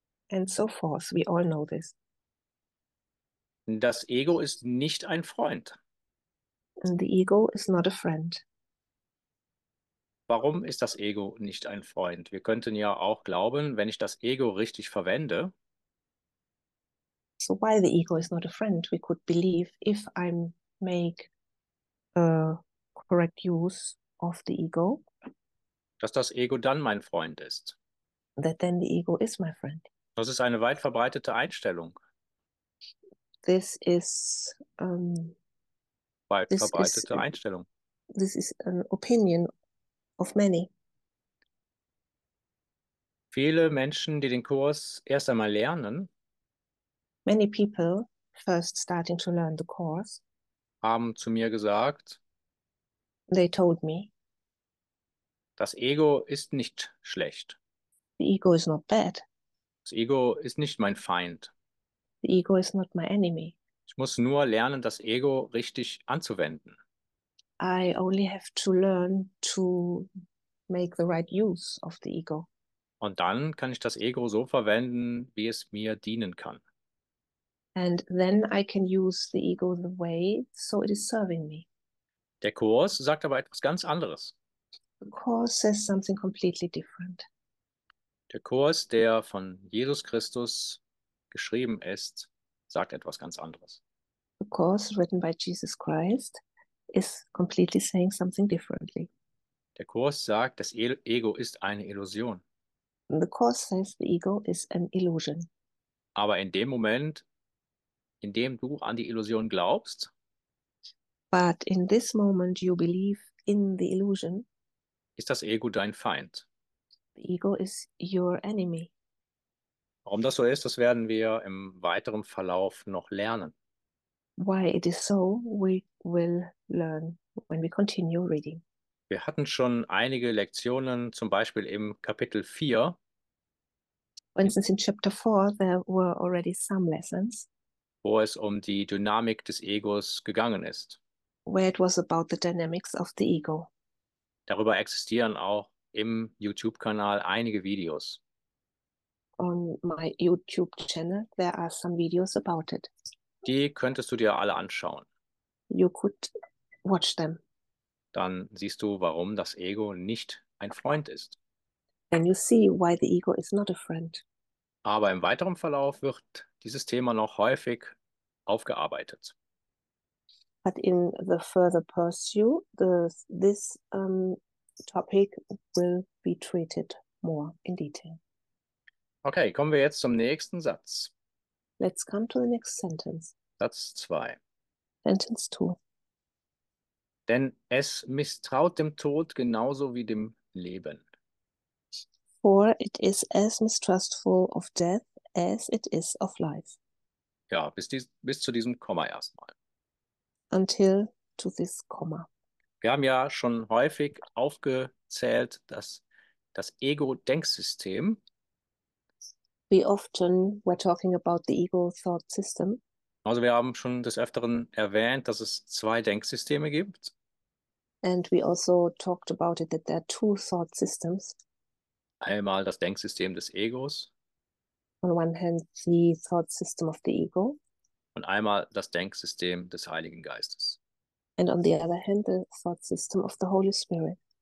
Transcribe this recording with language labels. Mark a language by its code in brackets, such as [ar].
[en] And so forth. We all know this. [de] Das Ego ist nicht ein Freund. [en] And the ego is not a friend. [de] Warum ist das Ego nicht ein Freund? Wir könnten ja auch glauben, wenn ich das Ego richtig verwende. [en] So why the ego is not a friend? We could believe if I make a correct use of the ego. [de] Dass das Ego dann mein Freund ist. [en] That then the ego is my friend. [de] Das ist eine weit verbreitete Einstellung. [en] This is weit this verbreitete is, Einstellung. This is an opinion of many. [de] Viele Menschen, die den Kurs erst einmal lernen, [en] many people first starting to learn the course, [de] haben zu mir gesagt, [en] they told me, [de] das Ego ist nicht schlecht. [en] The ego is not bad. [de] Das Ego ist nicht mein Feind. [en] The ego is not my enemy. [de] Ich muss nur lernen, das Ego richtig anzuwenden. [en] I only have to learn to make the right use of the ego. [de] Und dann kann ich das Ego so verwenden, wie es mir dienen kann. [en] And then I can use the ego the way so it is serving me. [de] Der Kurs sagt aber etwas ganz anderes. [en] The Course says something completely different. [de] Der Kurs, der von Jesus Christus geschrieben ist, sagt etwas ganz anderes. [en] The Course written by Jesus Christ is completely saying something differently. [de] Der Kurs sagt, das Ego ist eine Illusion. [en] The Course says the ego is an illusion. [de] Aber in dem Moment, in dem du an die Illusion glaubst, [en] but in this moment you believe in the illusion, [de] ist das Ego dein Feind. [en] The ego is your enemy. [de] Warum das so ist, das werden wir im weiteren Verlauf noch lernen. [en] Why it is so, we will learn when we continue reading. [de] Wir hatten schon einige Lektionen, zum Beispiel im Kapitel 4. [en] For instance, in chapter 4, there were already some lessons. [de] Wo es um die Dynamik des Egos gegangen ist. [en] Where it was about the dynamics of the ego. [de] Darüber existieren auch im YouTube-Kanal einige Videos. [en] On my YouTube channel, there are some videos about it. [de] Die könntest du dir alle anschauen. [en] You could watch them. [de] Dann siehst du, warum das Ego nicht ein Freund ist. [en] Then you see why the ego is not a friend. [de] Aber im weiteren Verlauf wird dieses Thema noch häufig aufgearbeitet. [en] But in the further pursuit, this topic will be treated more in detail. [de] Okay, kommen wir jetzt zum nächsten Satz. [en] Let's come to the next sentence. [de] Satz 2. [en] Sentence 2. [de] Denn es misstraut dem Tod genauso wie dem Leben. [en] For it is as mistrustful of death as it is of life. [de] Ja, bis zu diesem Komma erstmal. [en] Until to this comma. [de] Wir haben ja schon häufig aufgezählt, dass das Ego-Denksystem, [en] we often were talking about the ego thought system. [de] Also wir haben schon des Öfteren erwähnt, dass es zwei Denksysteme gibt. [en] And we also talked about it that there are two thought systems. [de] Einmal das Denksystem des Egos. [en] On one hand, the thought system of the ego. [de] Und einmal das Denksystem des Heiligen Geistes. [en] And on the other hand, the thought system of the Holy Spirit.